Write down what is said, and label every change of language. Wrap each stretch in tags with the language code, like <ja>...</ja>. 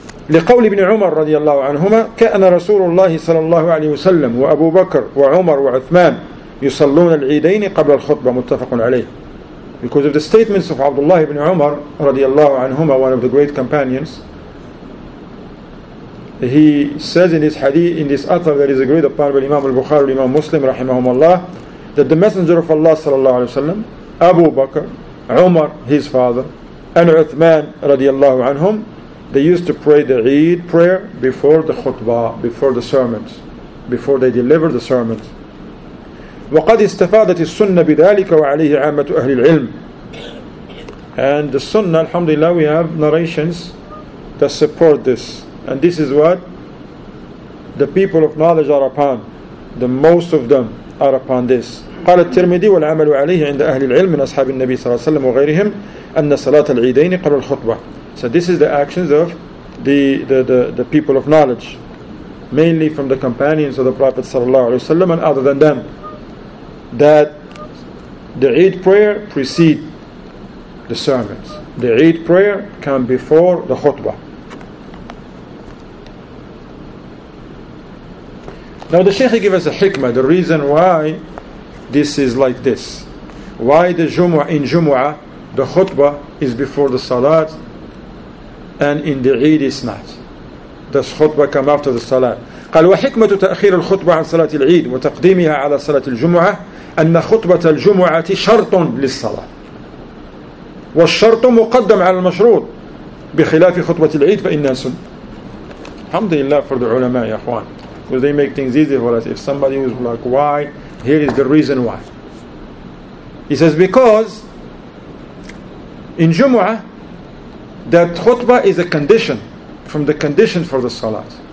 <ar>لقول ابن عمر رضي الله عنهما كأن رسول الله صلى الله عليه وسلم وأبو بكر وعمر وعثمان يصلون العيدين قبل الخطبة متفق عليه.</ar> <en>Because of the statements of Abdullah ibn Umar رضي الله عنهما, one of the great companions, he says in his hadith, in this author that is agreed upon by Imam al-Bukhari, Imam Muslim رحمهم الله, that the Messenger of Allah صلى الله عليه وسلم, Abu Bakr, Umar, his father, and Uthman radiallahu anhum, they used to pray the Eid prayer before the khutbah, before the sermons, before they deliver the sermons.</en> <ar>وَقَدْ إِسْتَفَادَتِ السُّنَّةِ بِذَلِكَ وَعَلَيْهِ عَامَةُ أَهْلِ الْعِلْمِ.</ar> <en>And the sunnah, alhamdulillah, we have narrations that support this. And this is what the people of knowledge are upon. The most of them are upon this. قال الترمذي والعمل عليه عند أهل العلم من أصحاب النبي صلى الله عليه وسلم وغيرهم أن صلاة العيدين قبل الخطبة. So this is the actions of the people of knowledge, mainly from the companions of the Prophet صلى الله عليه وسلم and other than them, that the Eid prayer precede the sermons. The Eid prayer come before the khutbah. Now the Shaykh gave us a hikmah, the reason why this is like this. Why the Jumu'ah, in Jumu'ah, the khutbah is before the Salat, and in the Eid it's not. this khutbah come after the salah.</en> <ar>قال وحكمة تأخير الخطبة عن صلاة العيد وتقديمها على صلاة الجمعة أن خطبة الجمعة شرط للصلاة والشرط مقدم على المشروط بخلاف خطبة العيد فإنها سنة.</ar> <en>الحمد لله for the علماء</en> <ar>يا أخوان,</ar> <en>because they make things easy for us. If somebody was like, why, here is the reason why. He says, because in Jumu'ah, that khutbah is a condition, from the condition for the salat.</en>